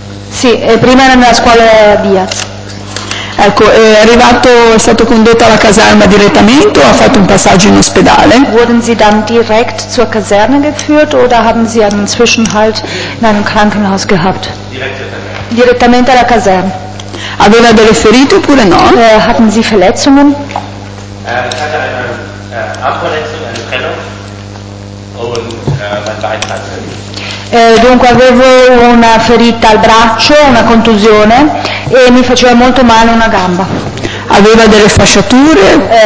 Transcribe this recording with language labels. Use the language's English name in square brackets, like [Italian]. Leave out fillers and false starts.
[Italian] Sì, prima era nella scuola Diaz. Ecco, è arrivato, è stato condotto alla caserma direttamente o ha fatto un passaggio in ospedale? [German] Wurden Sie dann direkt zur Kaserne geführt oder haben Sie einen Zwischenhalt in einem Krankenhaus gehabt? Direkt. [Italian] direttamente alla caserma. Aveva delle ferite oppure no? [German] Hatten Sie Verletzungen? Hatte eine Armverletzung, eine Trennung und mein Bein hat [Italian] Dunque avevo una ferita al braccio, una contusione e mi faceva molto male una gamba. Aveva delle fasciature?